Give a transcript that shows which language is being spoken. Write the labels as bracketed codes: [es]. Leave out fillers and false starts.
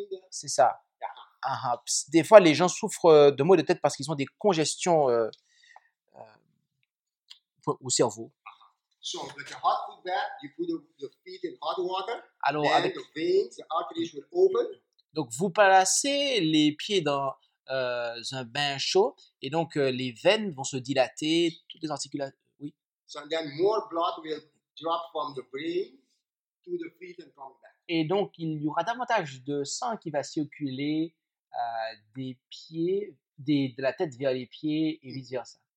[fr] C'est ça. Des fois, les gens souffrent de maux de tête parce qu'ils ont des congestions au cerveau. [en] So with the hot food bath, you put your feet in hot water. [fr] Alors, [en] and the veins, the arteries will open. [fr] Donc vous placez les pieds dans un bain chaud et donc les veines vont se dilater, toutes les articulations. Oui. [en] So then more blood will drop from the brain to the feet and from back. [fr] Et donc il y aura davantage de sang qui va circuler des pieds, de la tête vers les pieds et vice versa.